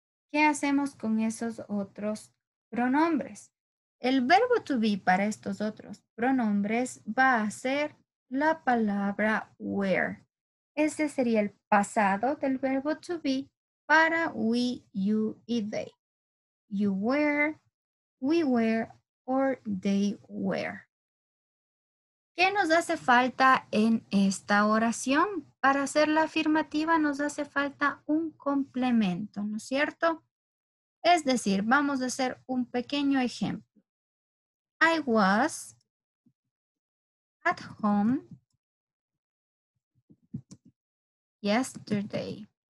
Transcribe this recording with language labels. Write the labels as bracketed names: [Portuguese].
[Spanish] ¿Qué hacemos con esos otros pronombres? El verbo to be para estos otros pronombres va a ser la palabra were. Este sería el pasado del verbo to be para we, you y they. [English] You were, we were, or they were. [Spanish] ¿Qué nos hace falta en esta oración? Para hacer la afirmativa nos hace falta un complemento, ¿no es cierto? Es decir, vamos a hacer un pequeño ejemplo. I was at home yesterday.